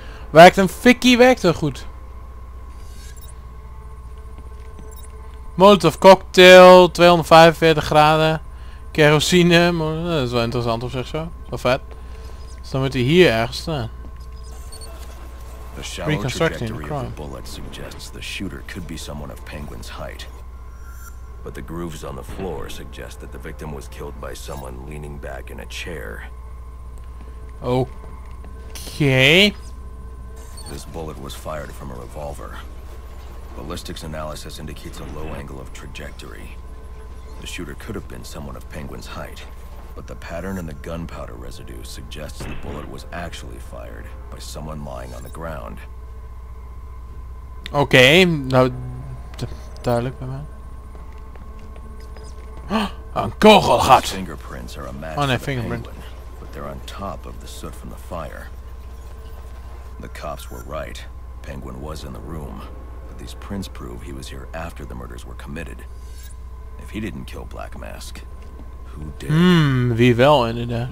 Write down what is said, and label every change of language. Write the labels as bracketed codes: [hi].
[nl] Werkt een fikkie, werkt er goed. Molotov cocktail, 245 graden. Kerosine, dat is wel interessant op zich zo. Zo vet. Dus dan moet hij hier ergens staan. [en] Reconstructing the crime. Bullet suggests the shooter could be someone of Penguin's height. But the grooves on the floor suggest that the victim was killed by someone leaning back in a chair. Okay. This bullet was fired from a revolver. Ballistics analysis indicates a low angle of trajectory. The shooter could have been someone of Penguin's height, but the pattern in the gunpowder residue suggests the bullet was actually fired by someone lying on the ground. [nl] Okay, nou, duidelijk bij mij. Een kogelgat. [en] Fingerprints are a match for the penguin, but they're on top of the soot from the fire. The cops were right. Penguin was in the room, but these prints prove he was here after the murders were committed. If he didn't kill Black Mask, who did? [nl] Wie wel inderdaad.